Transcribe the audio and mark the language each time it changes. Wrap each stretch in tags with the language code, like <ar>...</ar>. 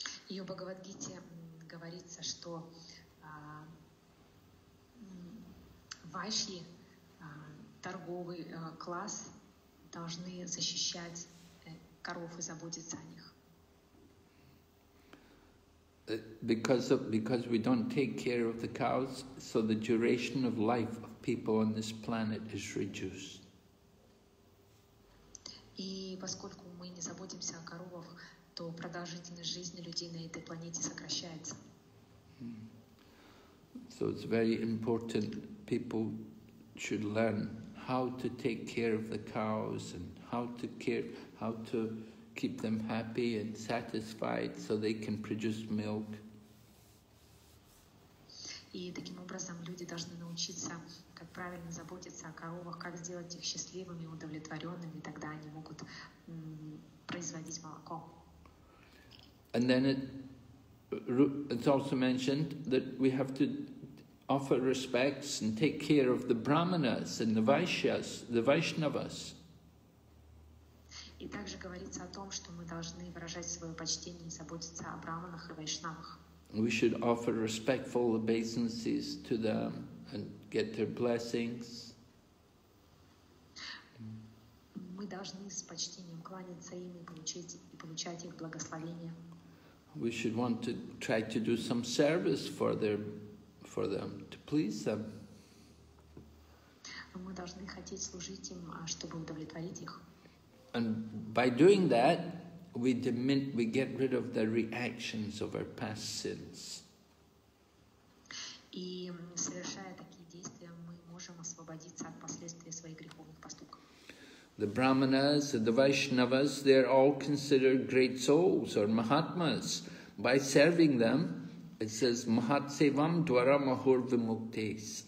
<en>In Bhagavad Gita, it says that Vaishya,</en> <ru>торговый класс, должны защищать коров и заботиться о них.</ru> <en>Because we don't take care of the cows, so the duration of life of people on this planet is reduced.</en> <ru>И поскольку мы не заботимся о коровах, то продолжительность жизни людей на этой планете сокращается.</ru> <en>So it's very important people should learn how to take care of the cows and how to keep them happy and satisfied so they can produce milk.</en> <ru>И таким образом люди должны научиться, как правильно заботиться о коровах, как сделать их счастливыми, удовлетворенными, тогда они могут производить молоко.</ru> <en>And then it's also mentioned that we have to offer respects and take care of the brahmanas and the vaishyas, the vaishnavas.</en> <ru>И также говорится о том, что мы должны выражать свое почтение и заботиться о брахманах и вайшнавах.</ru> <en>We should offer respectful obeisances to them and get their blessings.</en> <ru>должны с почтением кланяться им и получить, их благословение.</ru> <en>We should want to try to do some service for their, for them, to please them.</en> <ru>Мы должны хотеть служить им, чтобы удовлетворить их.</ru> <en>And by doing that, we get rid of the reactions of our past sins.</en> <ru>И совершая такие действия, мы можем освободиться от последствий своих греховных поступков.</ru> <en>The brahmanas, the vaishnavas, they are all considered great souls or mahatmas. By serving them, it says</en> <sa>mahatsevam dwara mahur vimuktes.</sa>